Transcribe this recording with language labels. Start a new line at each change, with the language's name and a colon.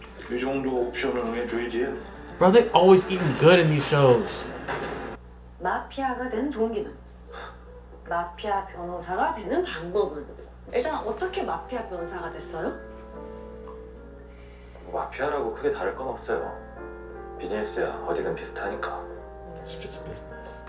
Korean: 이 정도 옵션을 왜 줘야지?
English: Bro, they always eating good in these shows.
Korean: 마피아가 된 동기는 마피아 변호사가 되는 방법은 일단 어떻게 마피아 변호사가 됐어요? 마피아라고 크게 다를 건 없어요. 비즈니스야 어디든 비슷하니까.
English: It's just business.